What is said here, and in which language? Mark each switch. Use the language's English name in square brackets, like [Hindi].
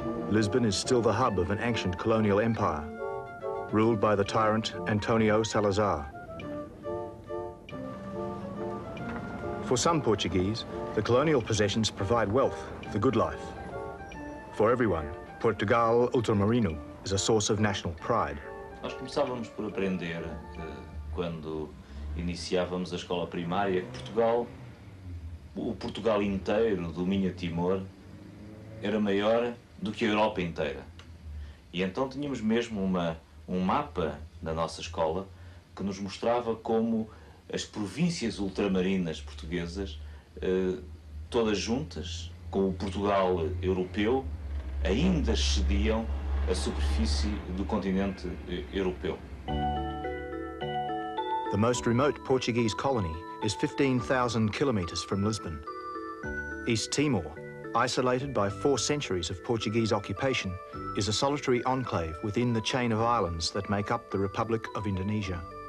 [English] Lisbon is still the hub of an ancient colonial empire, ruled by the tyrant Antonio Salazar. For some Portuguese, the colonial possessions provide wealth, the good life. For everyone, Portugal Ultramarino is a source of national pride. [Portuguese] Nós começávamos por aprender quando iniciávamos a escola primária que Portugal, o Portugal inteiro, domínio Timor, era maior do que a Europa inteira. E então tínhamos mesmo um mapa da nossa escola que nos mostrava como as províncias ultramarinas portuguesas, todas juntas com o Portugal europeu, ainda excediam a superfície do continente europeu. [English] The most remote Portuguese colony is 15,000 kilometers from Lisbon. East Timor, isolated by four centuries of Portuguese occupation, is a solitary enclave within the chain of islands that make up the Republic of Indonesia.